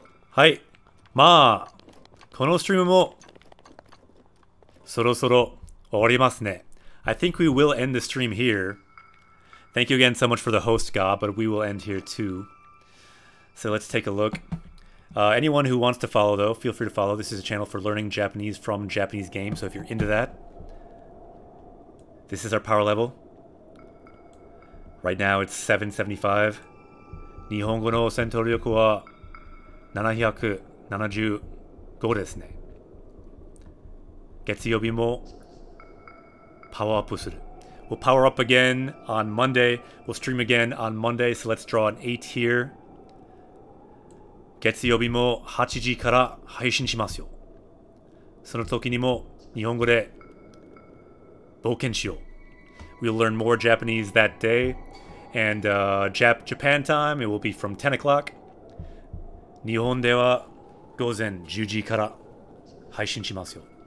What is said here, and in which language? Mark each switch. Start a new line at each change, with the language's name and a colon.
Japanese: はい、まあこのストリームもそろそろ終わりますね。
English: I think we will end the stream here. Thank you again so much for the host, Ga, but we will end here too. So let's take a look. Anyone who wants to follow though, feel free to follow. This is a channel for learning Japanese from Japanese games, so if you're into that, this is our power level. Right now it's 775.
Japanese: 日本語の戦闘力は775ですね。月曜日もパワーアップする。
English: We'll power up again on Monday. We'll stream again on Monday, so let's draw an 8 here.
Japanese: 月曜日も8時から配信しますよ。その時にも日本語で冒険しよう。
English: We'll learn more Japanese that day. And Japan time, it will be from 10 o'clock.
Japanese: 日本では午前10時から配信しますよ。